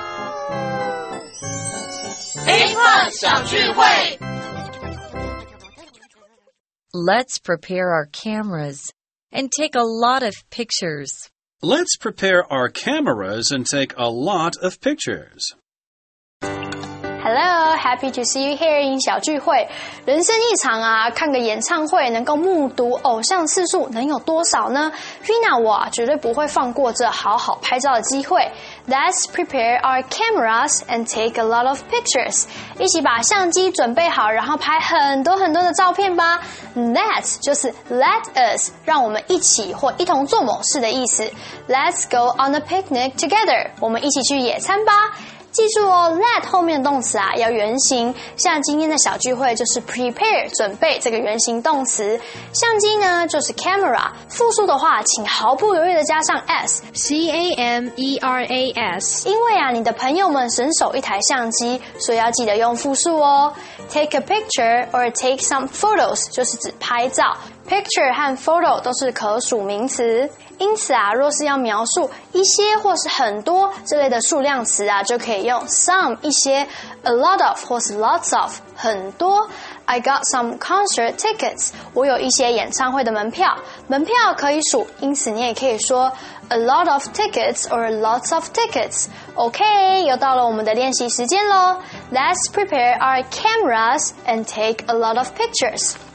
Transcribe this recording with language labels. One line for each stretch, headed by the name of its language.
Chinese: A-Plus 小聚会
English: Let's prepare our cameras and take a lot of pictures. Let's prepare our cameras and take a lot of pictures. Hello, happy to see you here in 小聚会。
Chinese: 人生一场啊，看个演唱会能够目睹偶像次数能有多少呢？ Vina 我绝对不会放过这好好拍照的机会。
English: Let's prepare our cameras and take a lot of pictures.
Chinese: 一起把相机准备好，然后拍很多很多的照片吧。 Let 就是 let us, 让我们一起或一同做某事的意思。
English: Let's go on a picnic together.
Chinese: 我们一起去野餐吧。记住哦 ,let 后面的动词啊要原形，像今天的小聚会就是 prepare, 准备这个原形动词。相机呢就是 camera, 复数的话请毫不犹豫的加上 s,
English: C-A-M-E-R-A-S。
Chinese: 因为啊你的朋友们省手一台相机，所以要记得用复数哦。
English: Take a picture or take some photos,
Chinese: 就是指拍照。 Picture 和 photo 都是可数名词。因此啊，若是要描述一些或是很多这类的数量词啊，就可以用 some 一些 ，a lot of 或是 lots of 很多。
English: I got some concert tickets.
Chinese: 我有一些演唱会的门票。门票可以数，因此你也可以说
English: a lot of tickets or lots of tickets.
Chinese: OK, 又到了我们的练习时间喽。
English: Let's prepare our cameras and take a lot of pictures.